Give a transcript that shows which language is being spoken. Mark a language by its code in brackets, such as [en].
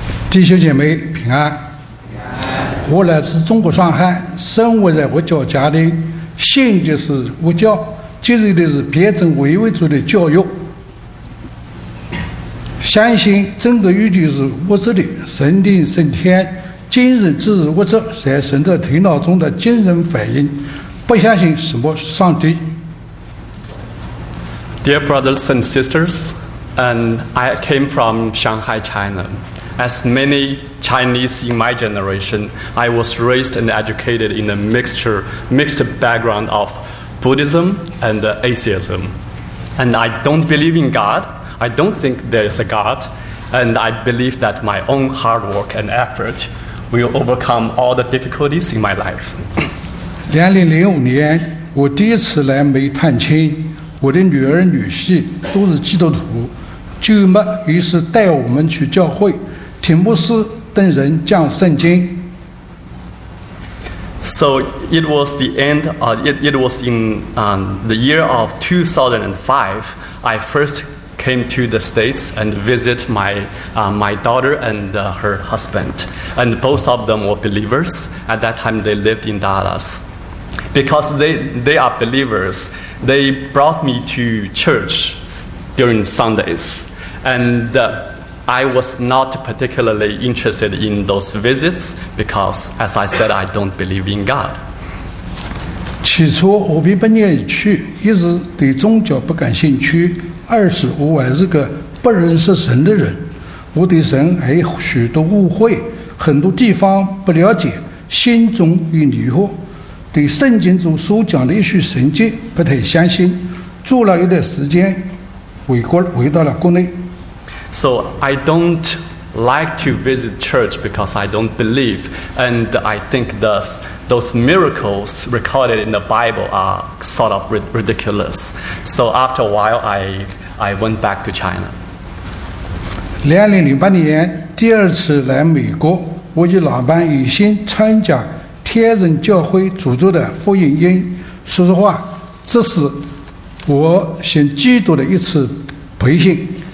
[zh] 弟兄姐妹平安，我来自中国上海，生活在佛教家庭，信就是佛教，接受的是辩证唯物主义的教育，相信整个宇宙是物质的，神定胜天，精神只是物质在神的头脑中的精神反应，不相信什么上帝。 [en] Dear brothers and sisters, and I came from Shanghai, ChinaAs many Chinese in my generation, I was raised and educated in a mixed background of Buddhism and atheism. And I don't believe in God, I don't think there is a God, and I believe that my own hard work and effort will overcome all the difficulties in my life. [zh] 2005年，我第一次来美探亲，我的女儿女婿都是基督徒，舅妈于是带我们去教会。请牧师等人讲圣经。 [en] So it was the end. It was in the year of 2005. I first came to the States and visit my daughter and her husband. And both of them were believers. At that time, they lived in Dallas. Because they are believers, they brought me to church during Sundays, I was not particularly interested in those visits because, as I said, I don't believe in God. [zh] 起初我并不愿意去，一是对宗教不感兴趣，二是我还是个不认识神的人，我对神还有许多误会，很多地方不了解，心中有疑惑，对圣经中所讲的一些神迹不太相信。住了一段时间，回到了国内。 [en] So I don't like to visit church because I don't believe, and I think those miracles recorded in the Bible are sort of ridiculous. So after a while, I went back to China. [zh] 2008年第二次来美国，我与老伴一起参加天人教会组织的福音营。说实话，这是我信基督的一次培训。